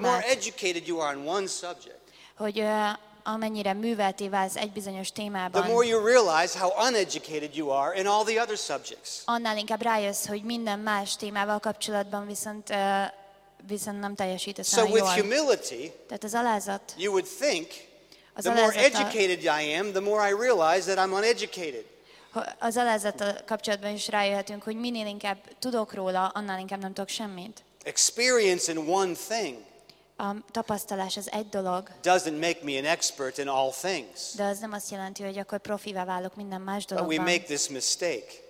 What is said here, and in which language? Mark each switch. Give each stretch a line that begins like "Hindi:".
English: the more educated you are on one subject,
Hungarian: hogy amennyire művelté válsz egy bizonyos témában,
English: the more you realize how uneducated you are in all the other subjects.
Hungarian: Annál inkább rájössz, hogy minden más témával kapcsolatban viszont nem teljesítesz
English: so
Hungarian: nem
English: with
Hungarian: jól.
English: Humility,
Hungarian: tehát az alázat,
English: you would think, the more educated I am, the more I realize that I'm uneducated.
Hungarian: Az alázattal kapcsolatban is rájöhetünk, hogy minél inkább tudok róla, annál inkább nem tudok semmit.
English: Experience in one thing.
Hungarian: a tapasztalás az egy dolog.
English: Doesn't make me an expert in all things.
Hungarian: De az nem azt jelenti, hogy akkor profivá válok minden más dologban.
English: But we make this mistake.